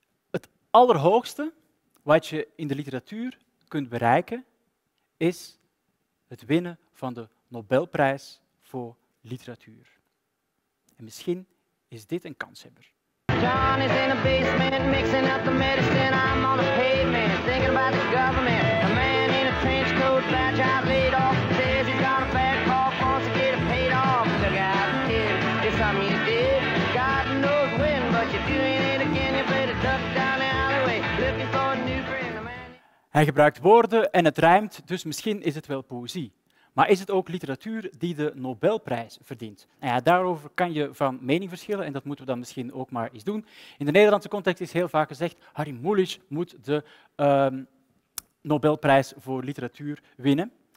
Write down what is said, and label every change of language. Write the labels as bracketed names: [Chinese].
[Dutch] Het allerhoogste wat je in de literatuur kunt bereiken is het winnen van de Nobelprijs voor literatuur. En misschien is dit een kanshebber. [English] John is in a basement, mixing up the medicine. I'm on the pavement, thinking about the government. A man in a trench coat, bad job laid off. Says he's got a bad cough, wants to get it paid off. The guy did, it's something you did. God knows when, but you're doing it again. You better duck down the alleyway, looking for a new friend. A man... [Dutch] Hij gebruikt woorden en het rijmt, dus misschien is het wel poëzie. Maar is het ook literatuur die de Nobelprijs verdient? Nou ja, daarover kan je van mening verschillen en dat moeten we dan misschien ook maar eens doen. In de Nederlandse context is heel vaak gezegd Harry Mulisch moet de Nobelprijs voor literatuur winnen.